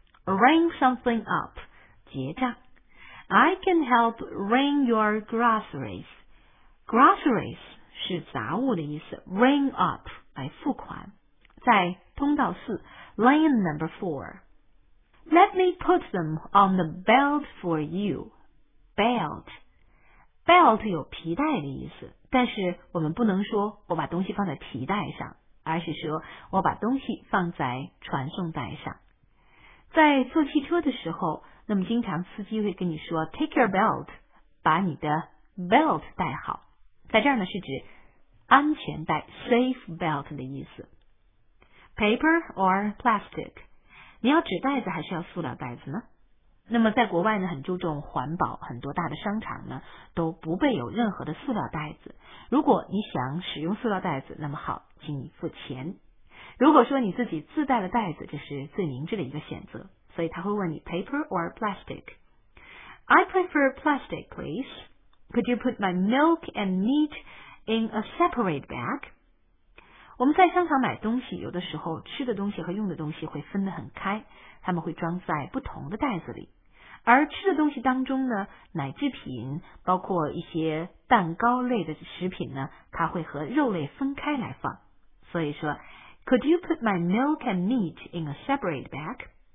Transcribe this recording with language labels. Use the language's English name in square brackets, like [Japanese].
[English] Ring something up, [Chinese] 结账。 [English] I can help ring your groceries. [Chinese] Groceries 是杂物的意思， ring up 来付款，在通道四， lane number 4. [English] Let me put them on the belt for you. Belt. [Chinese] Belt 有皮带的意思，但是我们不能说我把东西放在皮带上，而是说我把东西放在传送带上。在坐汽车的时候，那么经常司机会跟你说 [English] take your belt, [Chinese] 把你的 belt 带好，在这儿呢是指安全带 safe belt 的意思。 [English] Paper or plastic? [Chinese] 你要纸袋子还是要塑料袋子呢？那么在国外呢，很注重环保，很多大的商场呢都不备有任何的塑料袋子。如果你想使用塑料袋子，那么好，请你付钱。如果说你自己自带了袋子，这是最明智的一个选择，所以他会问你 paper or plastic. [English] I prefer plastic, please. Could you put my milk and meat in a separate bag? [Chinese] 我们在商场买东西，有的时候吃的东西和用的东西会分得很开，他们会装在不同的袋子里。而吃的东西当中呢，奶制品，包括一些蛋糕类的食品呢，它会和肉类分开来放。所以说 [English] Could you put my milk and meat in a separate bag?